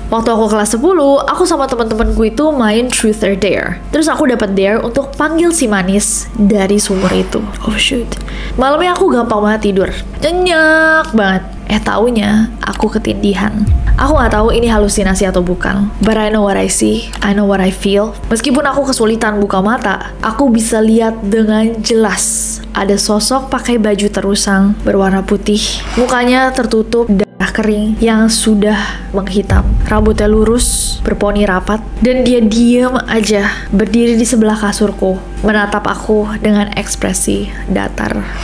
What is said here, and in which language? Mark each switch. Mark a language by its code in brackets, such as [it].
[id] Waktu aku kelas 10, aku sama teman-temanku itu main truth or dare. Terus aku dapat dare untuk panggil si Manis dari sumur itu. [en] Oh shoot. [id] Malamnya aku gampang banget tidur. Nyenyak banget. Taunya aku ketindihan. Aku gak tahu ini halusinasi atau bukan. [en] But I know what I see, I know what I feel. [id] Meskipun aku kesulitan buka mata, aku bisa lihat dengan jelas ada sosok pakai baju terusang berwarna putih. Mukanya tertutup darah kering yang sudah menghitam. Rambutnya lurus, berponi rapat, dan dia diam aja berdiri di sebelah kasurku, menatap aku dengan ekspresi datar.